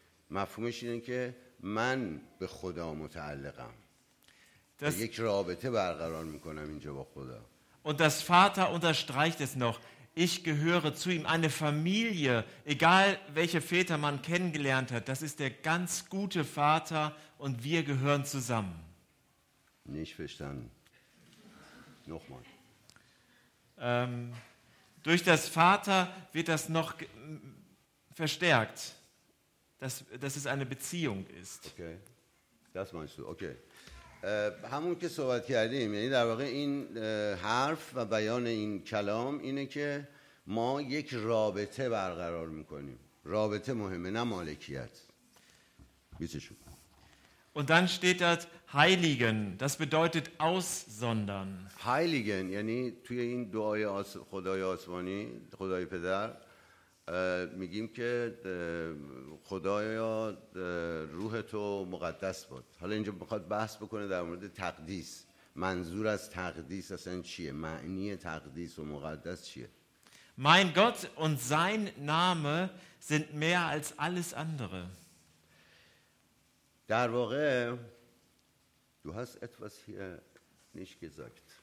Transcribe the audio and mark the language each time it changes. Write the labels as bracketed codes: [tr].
[fa] مفهومش اینه که من به خدا متعلقم. Das یک رابطه برقرار میکنم اینجا با خدا. [de] Und das Vater unterstreicht es noch. Ich gehöre zu ihm, eine Familie, egal welche Väter man kennengelernt hat, das ist der ganz gute Vater und wir gehören zusammen. Nicht verstanden. Nochmal. Durch das Vater wird das noch verstärkt, dass es eine Beziehung ist. Okay, das meinst du, okay. [fa] همون که صحبت کردیم، یعنی در واقع این حرف و بیان این کلام اینه که ما یک رابطه برقرار میکنیم. رابطه مهمه، نه مالکیت. بیتشو. [de] Und dann steht das Heiligen. Das bedeutet aussondern. Heiligen. [fa] یعنی توی این دعای خدای آسمانی، خدای پدر، میگیم که خدایا روح تو مقدس باد. حالا اینجا میخواد بحث بکنه در مورد تقدیس. منظور از تقدیس اصلا چیه؟ معنی تقدیس و مقدس چیه؟ [de] Mein Gott und sein Name sind mehr als alles andere. [fa] در واقع [de] du hast etwas hier nicht gesagt.